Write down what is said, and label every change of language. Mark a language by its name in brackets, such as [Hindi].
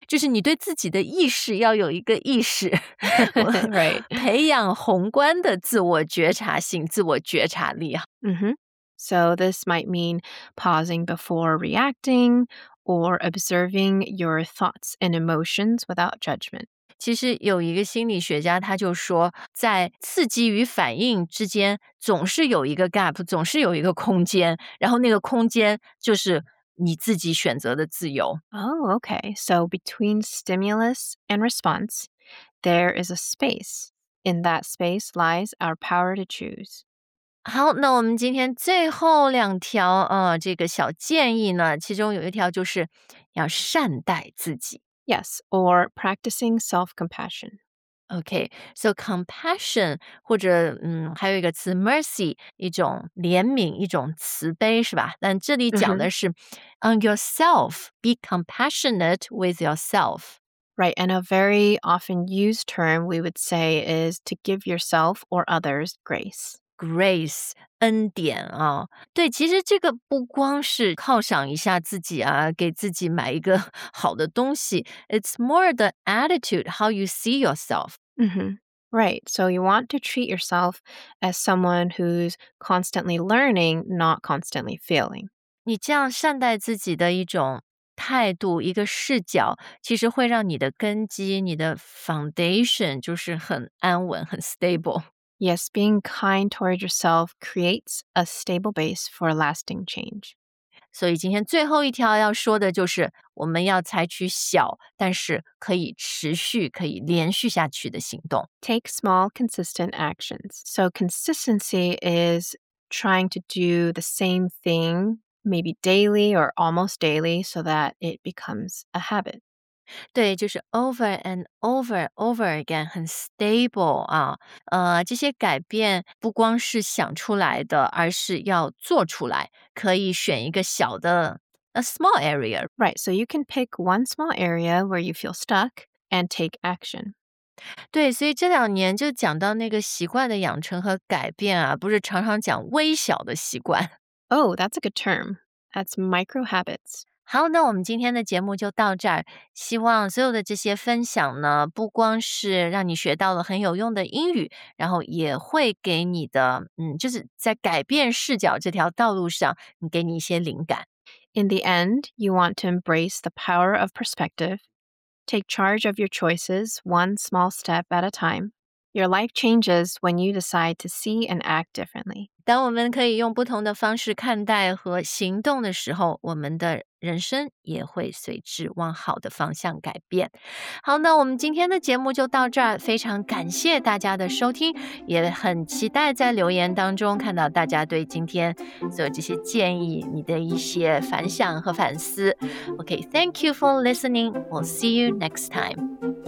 [Chinese] 就是你对自己的意识要有一个意识 [English] ，right？ [Chinese] 培养宏观的自我觉察性、自我觉察力啊。 [English] 嗯哼。So this might mean pausing before reacting. Or observing your thoughts and emotions without judgment. [Chinese] 其实有一个心理学家他就说在刺激与反应之间总是有一个 gap, 总是有一个空间然后那个空间就是你自己选择的自由。 [English] Oh, okay. So between stimulus and response, there is a space. In that space lies our power to choose. [Chinese] 好，那我们今天最后两条这个小建议呢，其中有一条就是要善待自己。 [English] Yes, or practicing self-compassion. Okay, so compassion, [Chinese] 或者还有一个词 mercy, 一种怜悯，一种慈悲，是吧？但这里讲的是、 [English] mm-hmm. on yourself, be compassionate with yourself. Right, and a very often used term we would say is to give yourself or others grace. [Chinese] Grace, 恩典啊、哦，对，其实这个不光是犒赏一下自己啊，给自己买一个好的东西。 [English] It's more the attitude, how you see yourself. Mm-hmm. Right, so you want to treat yourself as someone who's constantly learning, not constantly failing. [Chinese] 你这样善待自己的一种态度，一个视角，其实会让你的根基，你的 foundation 就是很安稳，很 stable. [English] Yes, being kind towards yourself creates a stable base for lasting change. [Chinese] 所以今天最后一条要说的就是我们要采取小但是可以持续可以连续下去的行动。 [English] Take small consistent actions. So consistency is trying to do the same thing maybe daily or almost daily so that it becomes a habit. [Chinese] 对，就是 [English] over and over, over again, 很 stable 啊。 [Chinese] 这些改变不光是想出来的，而是要做出来。可以选一个小的 [English] a small area. Right, so you can pick one small area where you feel stuck and take action. [Chinese] 对，所以这两年就讲到那个习惯的养成和改变啊，不是常常讲微小的习惯。 [English] Oh, that's a good term. That's micro habits. [Chinese] 好，那我们今天的节目就到这儿。希望所有的这些分享呢，不光是让你学到了很有用的英语，然后也会给你的，就是在改变视角这条道路上，给你一些灵感。 [English] In the end, you want to embrace the power of perspective, take charge of your choices one small step at a time. Your life changes when you decide to see and act differently. [Chinese] 当我们可以用不同的方式看待和行动的时候，我们的人生也会随之往好的方向改变。好，那我们今天的节目就到这儿，非常感谢大家的收听，也很期待在留言当中看到大家对今天所有这些建议你的一些反响和反思。 [English] Okay, thank you for listening. We'll see you next time.